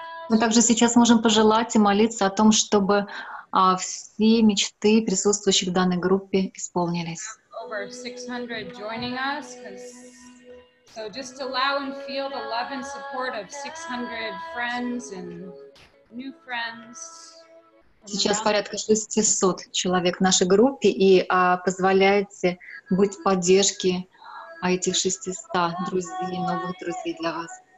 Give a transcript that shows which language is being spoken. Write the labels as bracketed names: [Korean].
[Russian] Мы также сейчас можем пожелать и молиться о том, чтобы все мечты присутствующих в данной группе исполнились. [English] Over 600 joining us. So just allow and feel the love and support of 600 friends and new friends. [Russian] Сейчас порядка 600 человек в нашей группе, и позволяйте быть в поддержке этих 600 друзей, новых друзей для вас.